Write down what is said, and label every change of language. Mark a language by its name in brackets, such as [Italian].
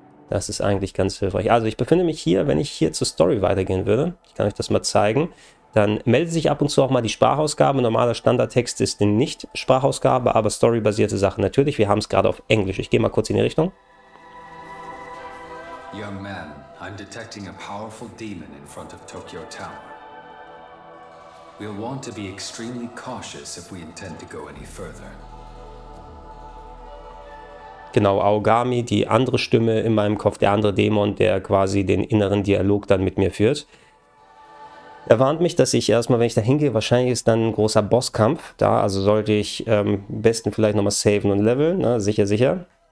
[German] Das ist eigentlich ganz hilfreich. Also ich befinde mich hier, wenn ich hier zur Story weitergehen würde, ich kann euch das mal zeigen, dann meldet sich ab und zu auch mal die Sprachausgabe. Normaler Standardtext ist die Nicht-Sprachausgabe, aber storybasierte Sachen natürlich. Wir haben es gerade auf Englisch. Ich gehe mal kurz in die Richtung. [English] Young man, I'm detecting a powerful demon in front of Tokyo Tower. We'll want to be extremely cautious if we intend to go any further. [German] Genau, Aogami, die andere Stimme in meinem Kopf, der andere Dämon, der quasi den inneren Dialog dann mit mir führt. Er warnt mich, dass ich erstmal, wenn ich da hingehe, wahrscheinlich ist dann ein großer Bosskampf da. Also sollte ich am besten vielleicht nochmal saven und leveln, ne? Sicher, sicher.